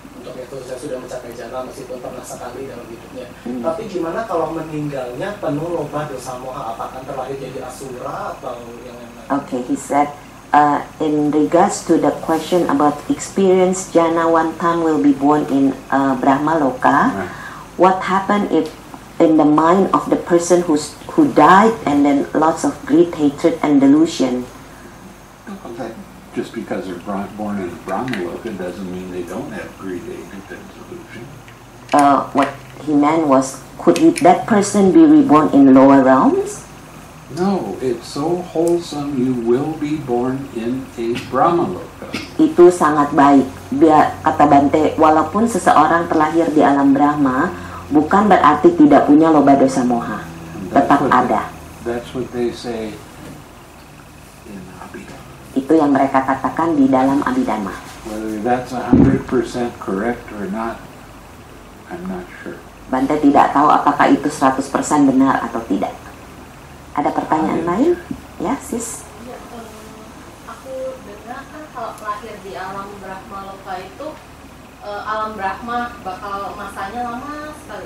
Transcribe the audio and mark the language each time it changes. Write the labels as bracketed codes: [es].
[id] Untuk itu saya sudah mencapai jana meskipun pernah sekali dalam hidupnya. Tapi gimana kalau meninggalnya penuh loba dosa moha, apakah terlahir jadi asura atau yang lain-lain? [en] Okay, he said, in regards to the question about experience jana one time will be born in Brahma Loka. What happened if in the mind of the person who died and then lots of greed, hatred and delusion? Well, that just because they're born in a Brahma Loka doesn't mean they don't have greed, hatred and delusion. What he meant was, could that person be reborn in lower realms? No, it's so wholesome you will be born in a Brahma Loka. [id] Itu sangat baik. Dia, kata Bante, walaupun seseorang terlahir di alam Brahma, bukan berarti tidak punya loba dosa moha, tetap ada. [en] That's what they say in Abhidhamma. [id] Itu yang mereka katakan di dalam Abhidhamma. [en] Whether that's 100% correct or not, I'm not sure. [id] Bante tidak tahu apakah itu 100% benar atau tidak. Ada pertanyaan lain? Ya, sis. Ya, aku dengar kan kalau lahir di alam Brahma Loka itu, alam Brahma bakal masanya lama sekali.